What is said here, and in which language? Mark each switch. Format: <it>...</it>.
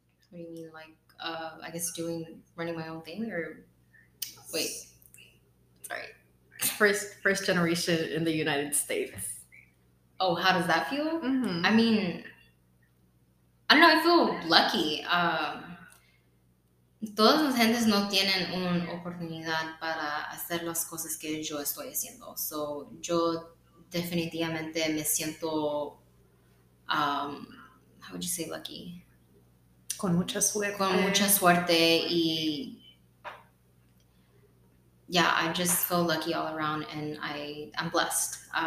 <en>What do you mean? Like, I guess running my own thing, or? Wait. Sorry. First generation in the United States. Oh, how does that feel? Mm-hmm. I mean, I don't know. I feel lucky.</en> <es>Todas las gentes no tienen una oportunidad para hacer las cosas que yo estoy haciendo.</es> <en>So,</en> <es>yo definitivamente me siento,</es> <en>how would you say, lucky?</en> <es>Con mucha suerte. Con mucha suerte y,</es> <en>yeah, I just feel lucky all around and I'm blessed.</en>